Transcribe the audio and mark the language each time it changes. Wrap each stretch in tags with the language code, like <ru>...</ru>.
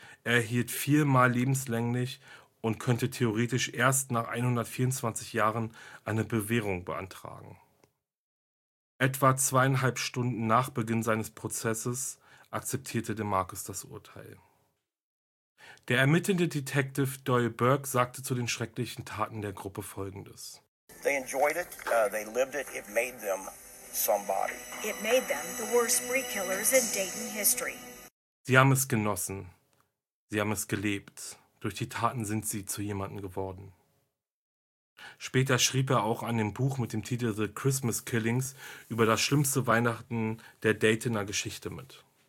<de>Er erhielt viermal lebenslänglich und könnte theoretisch erst nach 124 Jahren eine Bewährung beantragen. Etwa 2,5 Stunden nach Beginn seines Prozesses akzeptierte DeMarcus das Urteil. Der ermittelnde Detective Doyle Burke sagte zu den schrecklichen Taten der Gruppe Folgendes.</de> <en>They enjoyed it, they lived it, it made them somebody. It made them the worst spree killers in Dayton history.</en> <de>Sie haben es genossen, sie haben es gelebt. Durch die Taten sind sie zu jemandem geworden. Später schrieb er auch an dem Buch mit dem Titel The Christmas Killings über das schlimmste Weihnachten der Daytoner Geschichte mit.</de>